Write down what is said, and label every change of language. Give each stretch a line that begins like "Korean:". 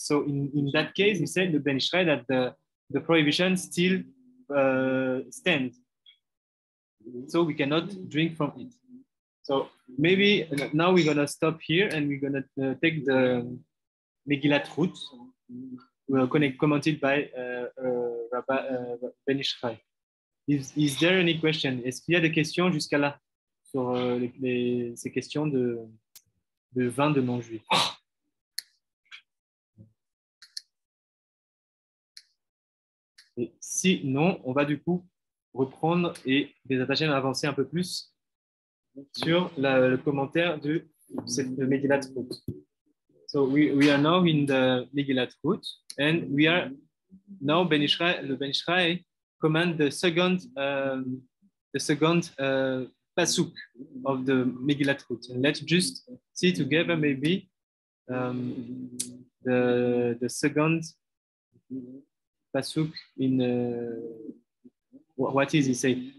English: So in that case, we said the Ben Yishai that the prohibition still stands. So we cannot drink from it. So maybe now we're gonna stop here and we're gonna take the Megillat Ruth, commented by Rabbi Ben Yishai. Is there any question?
French: Est-ce qu'il y a des questions jusqu'à là sur ces questions de vin de non-juif? Et sinon, on va du coup reprendre et les attacher à avancer un peu plus sur le commentaire de cette Megillat Ruth.
English: So we are now in the Megillat Ruth, and we are now Ben Yishai, le Ben Yishai command the second pasuk of the Megillat Ruth. And let's just see together maybe the second pasuk in what is he say?